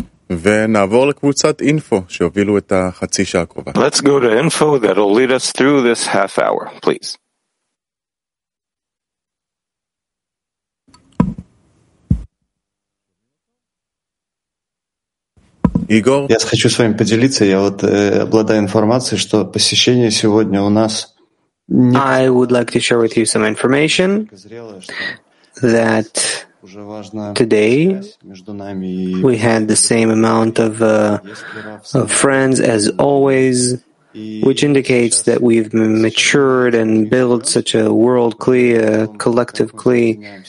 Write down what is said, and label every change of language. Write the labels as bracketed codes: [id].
[he] ונעבור לקבוצת אינפו שהובילו את החצי שעה הקרובה. [en] Let's go to info that'll lead us through this half hour, please. [ru] Игорь, я хочу с вами поделиться. Я вот обладаю информацией, что посещение сегодня у нас не... [en] I would like to share with you some information that today we had the same amount of friends as always, which indicates that we've matured and built such a world kli, a collective kli.